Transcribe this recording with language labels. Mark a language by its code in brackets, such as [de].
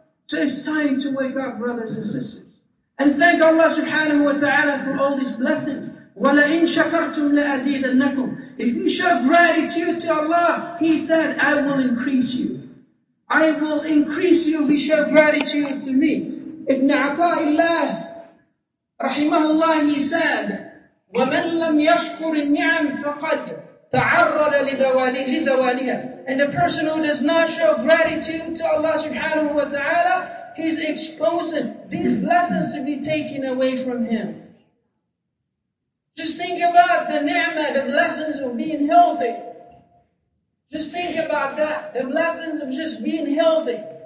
[en] So it's time to wake up, brothers and sisters. And thank Allah subhanahu wa ta'ala for all these blessings. [ar] وَلَئِنْ شَكَرْتُمْ لَأَزِيدَنَّكُمْ. [en] If you show gratitude to Allah, He said, I will increase you. I will increase you if you show gratitude to me. Ibn Ata'illah, rahimahullah, he said, [ar] وَمَنْ لَمْ يَشْكُرِ النِّعَمْ فَقَدْ تَعَرَّضَ لِزَوَالِهَا. [en] And the person who does not show gratitude to Allah subhanahu wa ta'ala, he's exposing these blessings to be taken away from him. Just think about the ni'mah, the blessings of being healthy. Just think about that, the blessings of just being healthy.